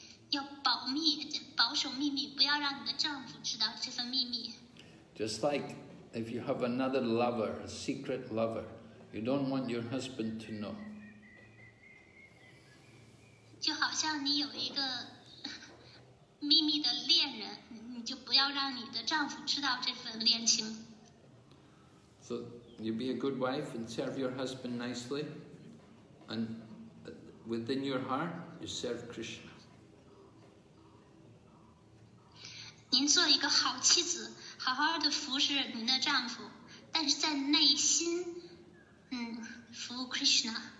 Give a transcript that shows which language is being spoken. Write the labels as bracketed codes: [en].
[zh] 要保密，保守秘密，不要让你的丈夫知道这份秘密。 [en] Just like if you have another lover, a secret lover, you don't want your husband to know. [zh] 就好像像你有一个秘密的恋人，你就不要让你的丈夫知道这份恋情。 [en] So you be a good wife and serve your husband nicely, and within your heart you serve Krishna. [zh] 您做一个好妻子，好好的服侍您的丈夫，但是在内心，服务 Krishna。